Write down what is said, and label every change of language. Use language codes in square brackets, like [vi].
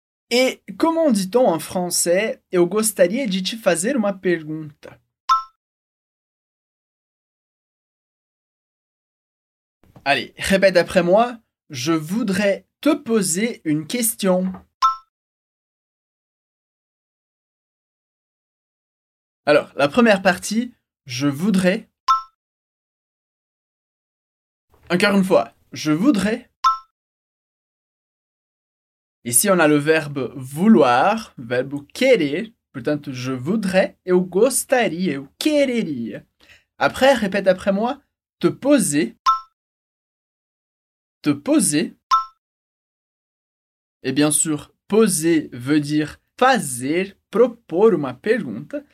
[fr] Et comment dit-on en français [pt] « Eu gostaria de te fazer uma pergunta ?» [fr] Allez, répète après moi, « Je voudrais te poser une question. » Alors, la première partie, je voudrais. Encore une fois, je voudrais. Ici, on a le verbe vouloir, verbe querer, peut-être je voudrais, et [pt] eu gostaria, eu quereria. [fr] Après, répète après moi, te poser. Te poser. Et bien sûr, poser veut dire [pt] fazer, propor uma pergunta.